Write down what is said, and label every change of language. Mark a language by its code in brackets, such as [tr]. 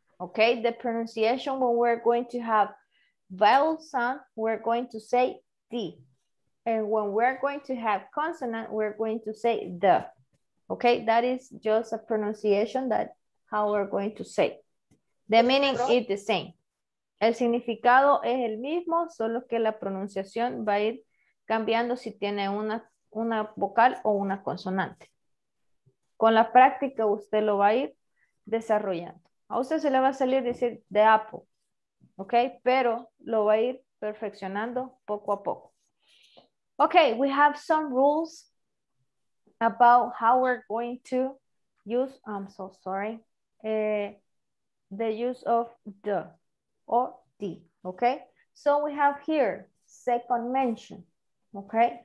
[en] Okay, the pronunciation when we're going to have vowel sound, we're going to say D. And when we're going to have consonant, we're going to say the. Okay, that is just a pronunciation that how we're going to say. The meaning is the same. [es] El significado es el mismo, solo que la pronunciación va a ir cambiando si tiene una vocal o una consonante. Con la práctica usted lo va a ir desarrollando. A usted se le va a salir decir the apple, ¿ok? Pero lo va a ir perfeccionando poco a poco. [en] Ok, we have some rules about how we're going to use, I'm so sorry, the use of the or the, ¿ok? So we have here second mention, ¿ok?